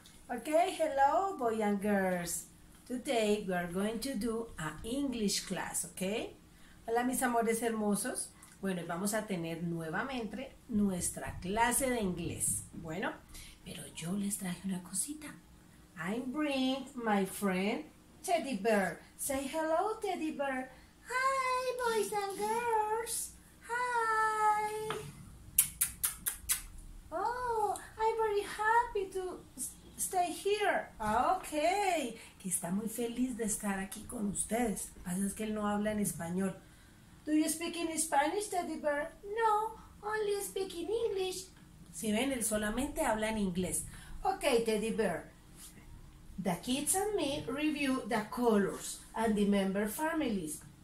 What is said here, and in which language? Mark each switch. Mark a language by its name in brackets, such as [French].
[English] Okay, hello boy and girls. Today we are going to do a English class, okay? [Spanish] Hola mis amores hermosos. Bueno, vamos a tener nuevamente nuestra clase de inglés. Bueno, pero yo les traje una cosita. [English] I bring my friend Teddy Bear. Say hello Teddy Bear. Hi boys and girls. Hi. Oh, I'm very happy to stay here. Okay. [Spanish] Que está muy feliz de estar aquí con ustedes. Lo que pasa es que él no habla en español. [English] Do you speak in Spanish, Teddy Bear? No, only speak in English. [Spanish] Si ven, él solamente habla en inglés. [English] Okay, Teddy Bear. The kids and me review the colors and the member families.